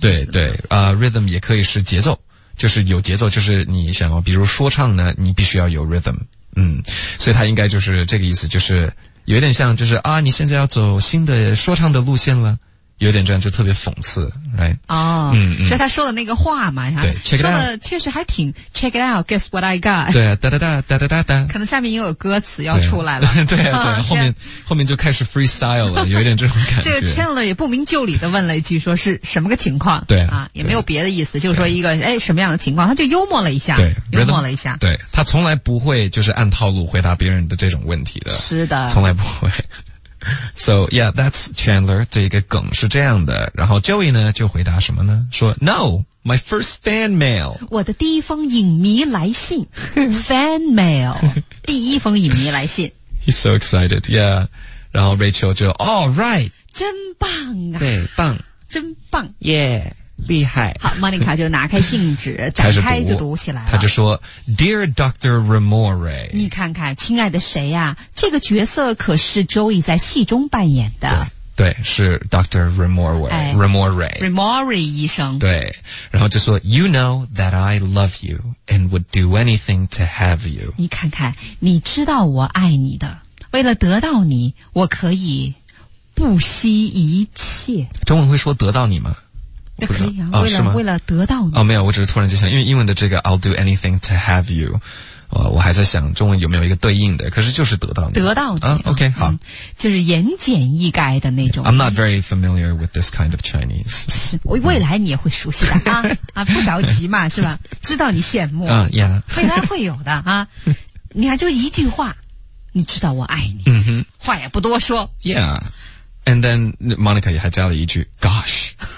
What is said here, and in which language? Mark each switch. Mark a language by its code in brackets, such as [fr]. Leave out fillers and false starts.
[zh] 对对rhythm 也可以是节奏。就是有节奏，就是你想要比如说唱呢，你必须要有 rhythm。所以他应该就是这个意思，就是有点像就是啊，你现在要走新的说唱的路线了，有点这样，就特别讽刺， [en] right? [zh] 哦、oh, 嗯，所以他说的那个话嘛，对，说的确实还挺 [en] check it out, guess what I got? [zh] 对、啊，哒哒哒哒哒哒哒，可能下面又有歌词要出来了，对、啊、对、啊，后面就开始 freestyle 了，有一点这种感觉。这个 Chandler 也不明就里的问了一句，说是什么个情况？对啊, 啊，也没有别的意思，就是说一个哎什么样的情况，他就幽默了一下，对，幽默了一下，对他从来不会就是按套路回答别人的这种问题的，是的，从来不会。 [en] So yeah, that's Chandler. [zh] 这一个梗是这样的。然后 Joey 呢就回答什么呢？说 [en] No, my first fan mail. [zh] 我的第一封影迷来信 ，fan mail， 第一封影迷来信。 [en] He's so excited. Yeah. [zh] 然后 Rachel 就 [en] All right. [zh] 真棒啊！对，棒，真棒。 Yeah， 厉害。好 ，Monica 就拿开信纸，展开就读起来了。他就说 [en] ，Dear Dr. Ramore， [zh] 你看看，亲爱的谁啊？这个角色可是 Joey 在戏中扮演的。对，是 Dr. Ramore，Ramore，、哎、Ramore 医生。对，然后就说 [en] ，You know that I love you and would do anything to have you。 [zh] 你看看，你知道我爱你的，为了得到你，我可以不惜一切。中文会说得到你吗？可以啊，哦、为了得到你哦，没有，我只是突然就想，因为英文的这个 [en] I'll do anything to have you， [zh] 我还在想中文有没有一个对应的，可是就是得到你，得到你、啊、，OK，、嗯、好，就是言简意赅的那种。 [en] I'm not very familiar with this kind of Chinese。 [zh] 是，未来你也会熟悉的、嗯、啊啊，不着急嘛，是吧？知道你羡慕啊呀，未来会有的啊。你看，就一句话，你知道我爱你，嗯哼，话也不多说。 [en] Yeah， and then Monica [zh] 也还加了一句 [en] ，Gosh。